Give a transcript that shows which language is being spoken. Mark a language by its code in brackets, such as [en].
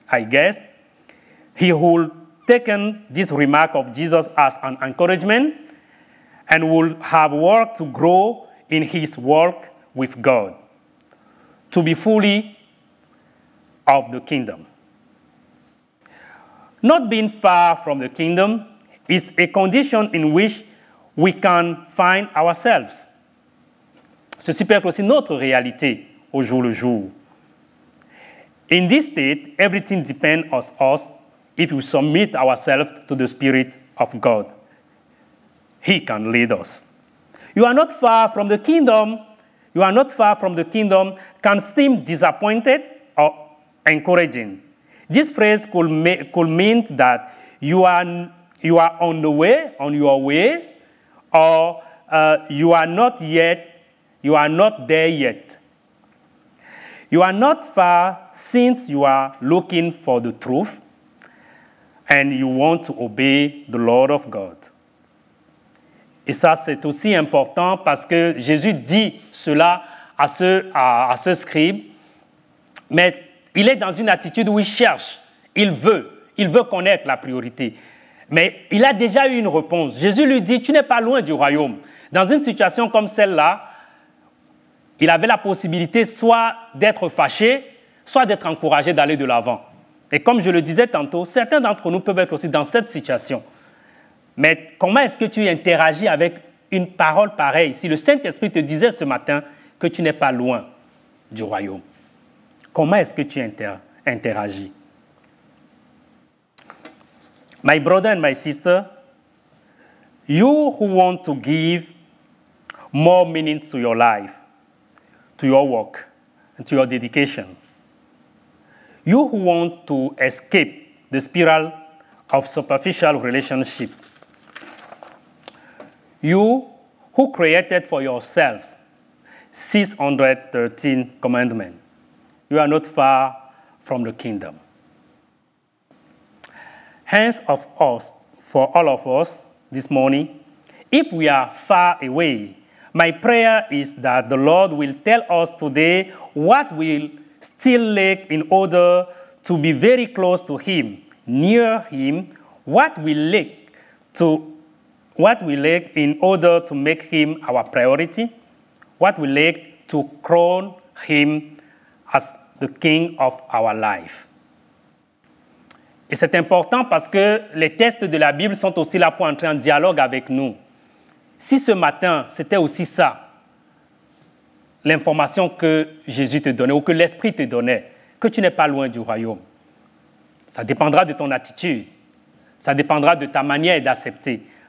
[en] I guess he would have taken this remark of Jesus as an encouragement and would have worked to grow in his walk with God, to be fully of the kingdom. Not being far from the kingdom is a condition in which we can find ourselves. [fr] Ceci peut être aussi notre réalité au jour le jour. [en] In this state, everything depends on us if we submit ourselves to the Spirit of God. He can lead us. You are not far from the kingdom. You are not far from the kingdom can seem disappointed or encouraging. This phrase could mean that you are on the way, on your way, or you are not there yet. You are not far since you are looking for the truth and you want to obey the Lord of God. [fr] Et ça, c'est aussi important parce que Jésus dit cela à ce scribe, mais il est dans une attitude où il cherche, il veut connaître la priorité. Mais il a déjà eu une réponse. Jésus lui dit, tu n'es pas loin du royaume. Dans une situation comme celle-là, il avait la possibilité soit d'être fâché, soit d'être encouragé d'aller de l'avant. Et comme je le disais tantôt, certains d'entre nous peuvent être aussi dans cette situation. Mais comment est-ce que tu interagis avec une parole pareille si le Saint-Esprit te disait ce matin que tu n'es pas loin du royaume? Comment est-ce que tu interagis? [en] My brother and my sister, you who want to give more meaning to your life, to your work, and to your dedication, you who want to escape the spiral of superficial relationship, you who created for yourselves 613 commandments, you are not far from the kingdom. Hence, for all of us this morning, if we are far away, my prayer is that the Lord will tell us today what we still lack in order to be very close to Him, near Him, what we lack in order to make Him our priority, what we lack to crown Him as the King of our life. [fr] Et c'est important parce que les textes de la Bible sont aussi là pour entrer en dialogue avec nous. Si ce matin, c'était aussi ça, l'information que Jésus te donnait ou que l'Esprit te donnait, que tu n'es pas loin du royaume, ça dépendra de ton attitude, ça dépendra de ta manière d'accepter.